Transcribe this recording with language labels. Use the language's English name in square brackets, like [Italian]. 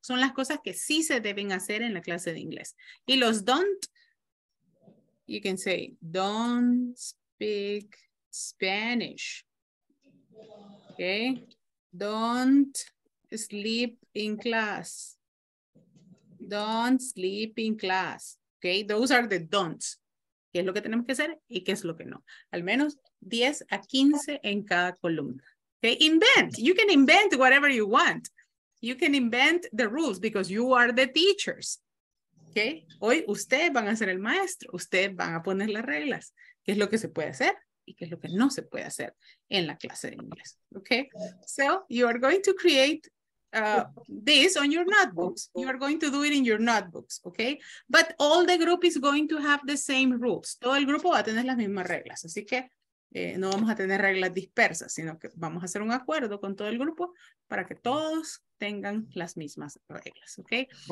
[Spanish] Son las cosas que sí se deben hacer en la clase de inglés. [English] Y los don't, you can say, don't speak Spanish. Okay? Don't sleep in class. Don't sleep in class. Okay? Those are the don'ts. [Spanish] ¿Qué es lo que tenemos que hacer y qué es lo que no? Al menos 10 a 15 en cada columna. Okay? [English] Invent. You can invent whatever you want. You can invent the rules because you are the teachers. [Spanish] Okay? Hoy ustedes van a ser el maestro. Ustedes van a poner las reglas. ¿Qué es lo que se puede hacer? Y qué es lo que no se puede hacer en la clase de inglés. [English] Okay? So, you are going to create this on your notebooks. You are going to do it in your notebooks, okay? But all the group is going to have the same rules. [Spanish] Todo el grupo va a tener las mismas reglas. Así que no vamos a tener reglas dispersas, sino que vamos a hacer un acuerdo con todo el grupo para que todos tengan las mismas reglas, okay?